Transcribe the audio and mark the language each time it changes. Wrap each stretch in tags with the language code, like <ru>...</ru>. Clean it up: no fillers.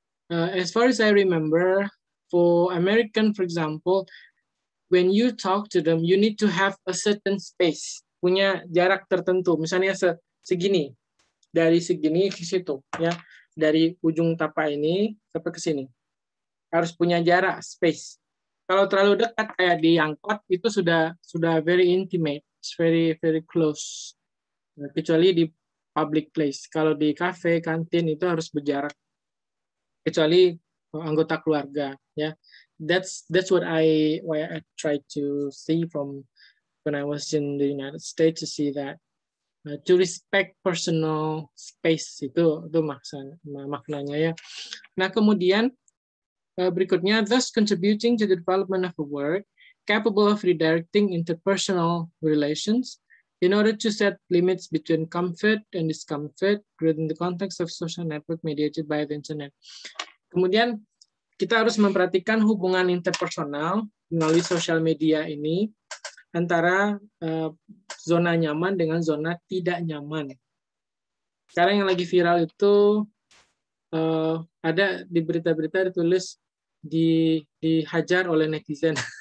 <en>As far as I remember, for American, for example, when you talk to them, you need to have a certain space,</en> <id>punya jarak tertentu. Misalnya segini, dari segini ke situ, ya, dari ujung tapak ini sampai ke sini. Harus punya jarak, space. Kalau terlalu dekat kayak di angkot itu sudah</id> <en>very intimate, it's very very close.</en> <id>Kecuali di public place. Kalau di cafe, kantin itu harus berjarak. Kecuali anggota keluarga, ya.</id> <en>That's what I try to see from when I was in the United States to see that to respect personal space</en> <id>itu maknanya ya. Nah, kemudian berikutnya,</id> <en>thus contributing to the development of a work capable of redirecting interpersonal relations in order to set limits between comfort and discomfort within the context of social network mediated by the internet.</en> <id>Kemudian, kita harus memperhatikan hubungan interpersonal melalui social media ini antara zona nyaman dengan zona tidak nyaman. Sekarang yang lagi viral itu, ada di berita-berita ditulis, dihajar oleh netizen.</id>